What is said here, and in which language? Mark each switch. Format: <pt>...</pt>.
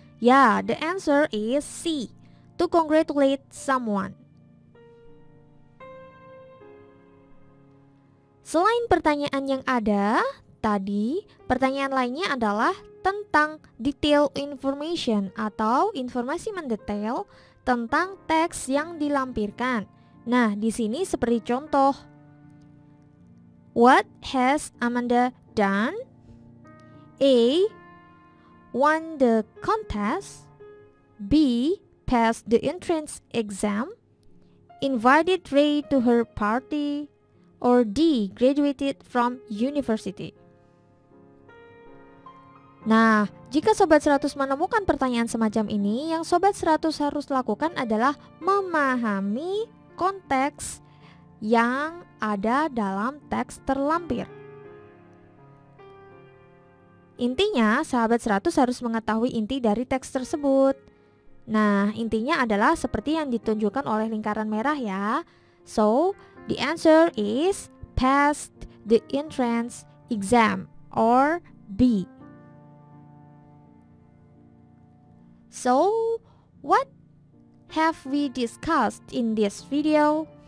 <en>Ya, the answer is C, to congratulate someone.</en> <id>Selain pertanyaan yang ada tadi, pertanyaan lainnya adalah tentang detail information atau informasi mendetail tentang teks yang dilampirkan. Nah, di sini seperti contoh.</id> <en>What has Amanda done?</en> <id>A.</id> <en>Won the contest. B. Passed the entrance exam. Invited Ray to her party. Or D. Graduated from university.</en> <id>Nah, jika Sobat 100 menemukan pertanyaan semacam ini, yang Sobat 100 harus lakukan adalah memahami konteks yang ada dalam teks terlampir. Intinya, Sahabat 100 harus mengetahui inti dari teks tersebut. Nah, intinya adalah seperti yang ditunjukkan oleh lingkaran merah ya.</id> <en>So, the answer is passed the entrance exam or B. So, what have we discussed in this video?</en>